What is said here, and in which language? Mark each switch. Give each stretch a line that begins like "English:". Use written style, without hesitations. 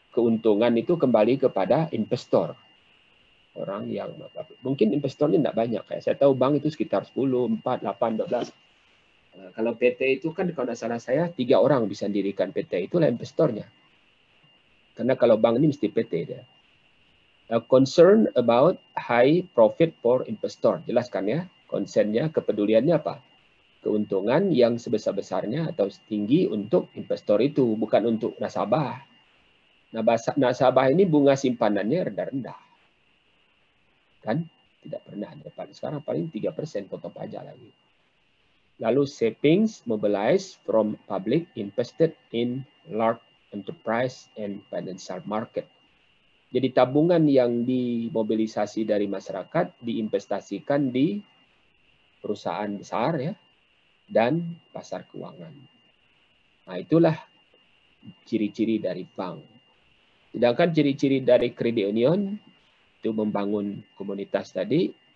Indonesian: Keuntungan itu kembali kepada investor. Orang yang, mungkin investornya tidak banyak. Kayak saya tahu bank itu sekitar 10, 4, 8, 12. Kalau PT itu kan, kalau tidak salah saya, 3 orang bisa mendirikan PT. Itulah investornya. Karena kalau bank ini mesti PT dia.
English: A concern about high profit for investor.
Indonesian: Jelaskan ya, concern-nya, kepeduliannya apa? Keuntungan yang sebesar-besarnya atau setinggi untuk investor itu, bukan untuk nasabah. Nasabah ini bunga simpanannya rendah-rendah. Kan? Tidak pernah. Sekarang paling 3% potong pajak lagi.
English: Lalu savings mobilized from public invested in large enterprise and financial market.
Indonesian: Jadi tabungan yang dimobilisasi dari masyarakat diinvestasikan di perusahaan besar ya dan pasar keuangan. Nah, itulah ciri-ciri dari bank. Sedangkan ciri-ciri dari credit union itu membangun komunitas tadi.